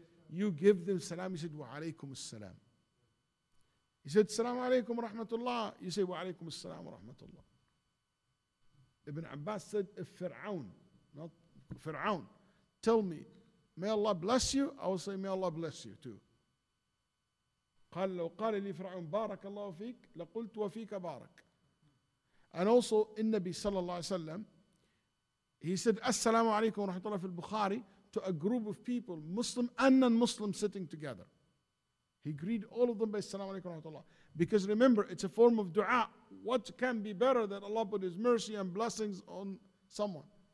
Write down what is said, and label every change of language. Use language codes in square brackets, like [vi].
[en] You give them salam. You said wa alaikum salam. He said, Assalamu alaikum wa rahmatullah. You say, Wa alaikum assalam wa rahmatullah. Ibn Abbas said, if Fir'aun, not Fir'aun, tell me, may Allah bless you, I will say, may Allah bless you too. [ar] قال لو قال لي فرعون بارك الله فيك لقلت وفيك بارك. [en] And also, النبي صلى الله عليه وسلم, he said, Assalamu alaikum wa rahmatullah, [ar] في البخاري, [en] to a group of people, Muslim and non-Muslim sitting together. He greeted all of them by Assalamu alaikum wa rahmatullah. Because remember, it's a form of dua. What can be better than Allah put His mercy and blessings on someone?